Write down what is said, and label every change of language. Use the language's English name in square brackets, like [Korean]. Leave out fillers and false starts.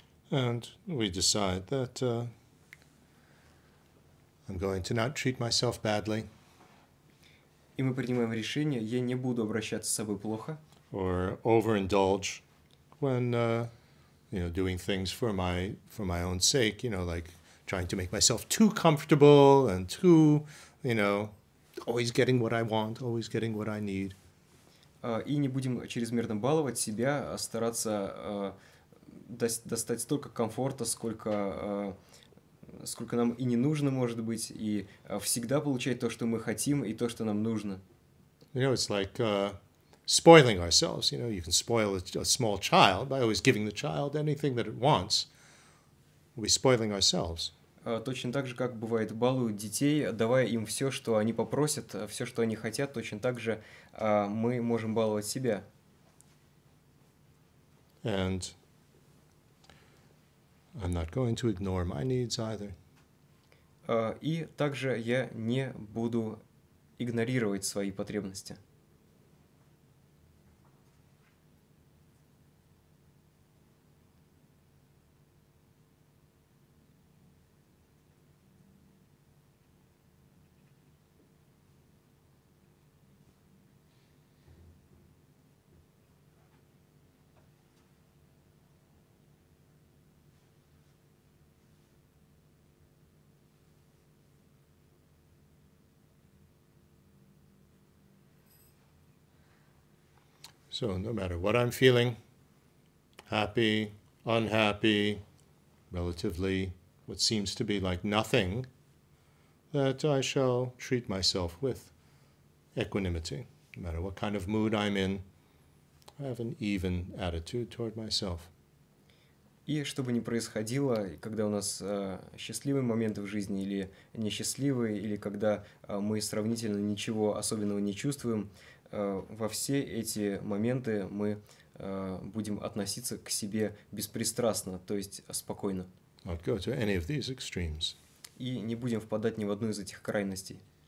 [English] And we decide that I'm going to not treat myself badly. [Russian] И мы принимаем решение, я не буду обращаться с собой плохо. [English] Or overindulge when, you know, doing things for my own sake, you know, like trying to make myself too comfortable and too, you know, always getting what I want, always getting what I need. [Russian] И не будем чрезмерно баловать себя, стараться достать столько комфорта, сколько нам и не нужно, может быть, и всегда получать то, что мы хотим, и то, что нам нужно. [English] You know, it's like spoiling ourselves. You know, you can spoil a small child by always giving the child anything that it wants. We're spoiling ourselves. [Russian] Точно так же, как бывает, балуют детей, давая им все, что они попросят, все, что они хотят, точно так же мы можем баловать себя. [English] And I'm not going to ignore my needs either. [Russian] И также я не буду игнорировать свои потребности. [English] So no matter what I'm feeling, happy, unhappy, relatively, what seems to be like nothing, that I shall treat myself with equanimity. No matter what kind of mood I'm in, I have an even attitude toward myself. [Russian] И что бы ни происходило, когда у нас счастливые моменты в жизни или несчастливые, или когда мы сравнительно ничего особенного не чувствуем, во все эти моменты мы будем относиться к себе беспристрастно, то есть спокойно. [English] Not go to any of these extremes. [Russian] И не будем впадать ни в одну из этих крайностей.